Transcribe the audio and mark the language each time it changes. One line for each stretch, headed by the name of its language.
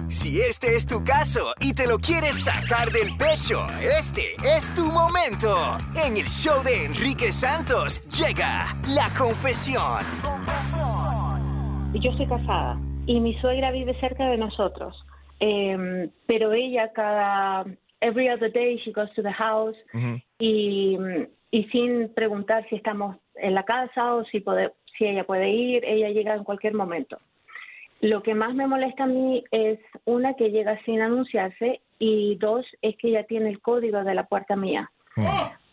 Spanish: Si este es tu caso y te lo quieres sacar del pecho, este es tu momento. En el show de Enrique Santos llega La Confesión. Yo soy casada y mi suegra vive cerca de nosotros. Pero ella cada...
English: Every other day she goes to the house. Uh-huh.
Spanish: Y sin preguntar si estamos en la casa o si podemos... Si ella puede ir, ella llega en cualquier momento. Lo que más me molesta a mí es, una, que llega sin anunciarse, y dos, es que ella tiene el código de la puerta mía. Oh.